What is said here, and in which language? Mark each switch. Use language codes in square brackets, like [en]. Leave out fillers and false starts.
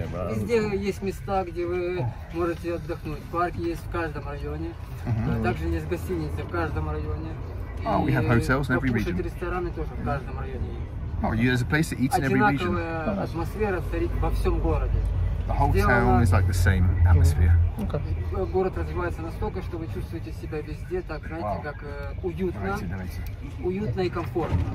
[ru] Везде есть места, где вы можете отдохнуть. Парк есть в каждом районе. Также есть гостиница в каждом районе. [en] Oh, we have hotels in every region. [ru] Рестораны тоже в каждом районе. [en] Oh, there's a place to eat in every region. [ru] Одинаковая атмосфера царит во всем городе. [en] The whole town is like the same atmosphere. Okay. [ru] Город развивается настолько, что вы чувствуете себя везде так, знаете, как уютно, уютно и комфортно.